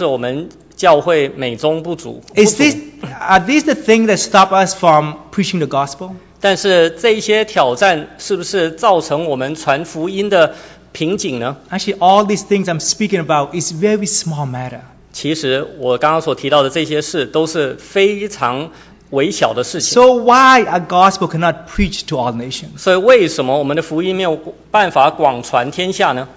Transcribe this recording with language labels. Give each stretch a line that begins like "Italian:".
Chinese: 所以我在描述的就是我们教会美中不足。
English: Are these the things that stop us from preaching the gospel?
Chinese: 但是这些挑战是不是造成我们传福音的瓶颈呢？
English: Actually, all these things I'm speaking about is very small matter.
Chinese: 其实我刚刚所提到的这些事都是非常微小的事情。
English: So why a gospel cannot preach to all nations?
Chinese: 所以为什么我们的福音没有办法广传天下呢？